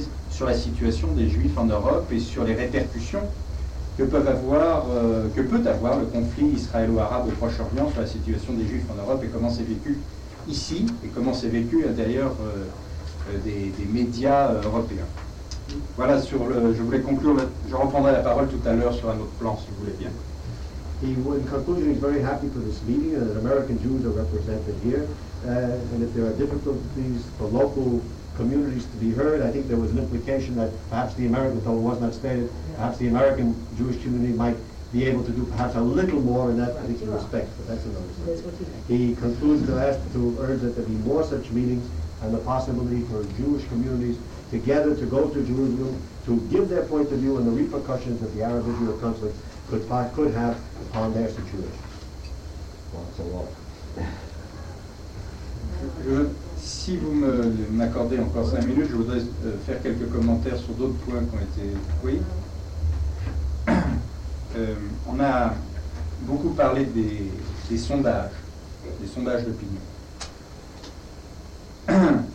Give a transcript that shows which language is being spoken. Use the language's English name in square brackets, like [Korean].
[French] sur la situation des Juifs en Europe et sur les répercussions que peut avoir le conflit israélo-arabe au Proche-Orient sur la situation des Juifs en Europe et comment c'est vécu ici et comment c'est vécu d'ailleurs des médias européens. Voilà, je voulais conclure, je reprendrai la parole tout à l'heure sur un autre plan, si vous voulez bien. [English] In conclusion, he's very happy for this meeting and that American Jews are represented here. And if there are difficulties for local communities to be heard, I think there was an implication that perhaps the American, though it was not stated, perhaps the American Jewish community might be able to do perhaps a little more in that particular respect, but that's another thing. He concludes to ask to urge that there be more such meetings and the possibility for Jewish communities together to go to Jerusalem to give their point of view and the repercussions that the Arab-Israel conflict could have upon their situation. Well, that's a lot. [French] Si vous m'accordez encore 5 minutes, je voudrais faire quelques commentaires sur d'autres points qui ont été... Oui. On a beaucoup parlé des sondages d'opinion.